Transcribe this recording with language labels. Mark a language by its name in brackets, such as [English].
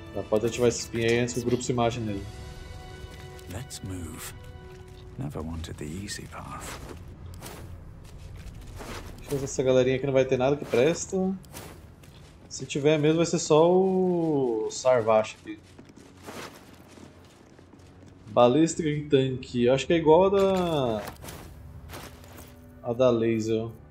[Portuguese] Pode ativar esse espinho aí antes que o grupo se mate nele. [English] Let's move. Never wanted the easy path. [Portuguese] Deixa eu ver essa galerinha aqui, não vai ter nada que presta. Se tiver mesmo, vai ser só o Sarvash aqui. Balística e tanque. Acho que é igual a da Laser.